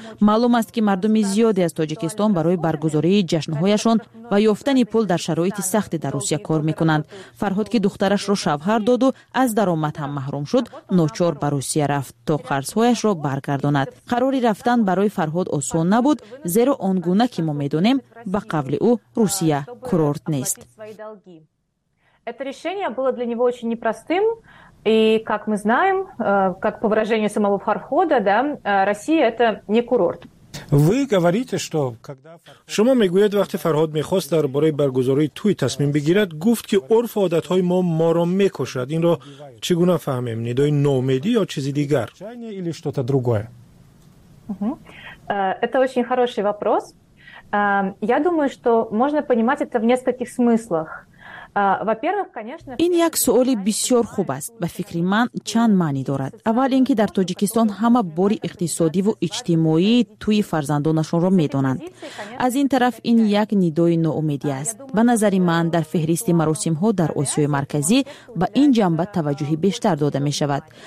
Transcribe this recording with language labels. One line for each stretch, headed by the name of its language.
Persian: معلوم است که مردم زیادی از تاجیکستان برای برگزاری جشن هایشان و یافتن پول در شرایط سخت در روسیه کار میکنند. فرهاد که دخترش را شوهر داد و از درآمد هم محروم شد، ناچار به روسیه رفت تا قرضهایش را برگرداند. قراری رفتن برای فرهاد آسان نبود، زیرا آنگونه که ما میدونیم به قول او روسیه کورورت نیست.
Russian: Это решение было для него очень непростым, И как мы знаем, как по выражению самого Фархода, да, Россия – это не курорт. Вы говорите, что когда
Persian: شما میگویید وقتی فرهاد میخواست درباره برگزاری توی تصمیم بگیرد گفت که عرف و عادت های ما ما را میکشد این را چگونه فهمیم ندای نومیدی یا چیزی دیگر
Russian: или что-то другое. Это очень хороший вопрос. Я думаю, что можно понимать это в нескольких смыслах.
Persian: این یک سؤال بسیار خوب است و فکری من چند معنی دارد. اول اینکه در تاجیکستان همه بار اقتصادی و اجتماعی توی فرزندانشان را می دانند. از این طرف این یک ندای ناامیدی است. به نظر من در فهرست مراسم ها در آسیای مرکزی به این جنبه توجه بیشتر داده می شود.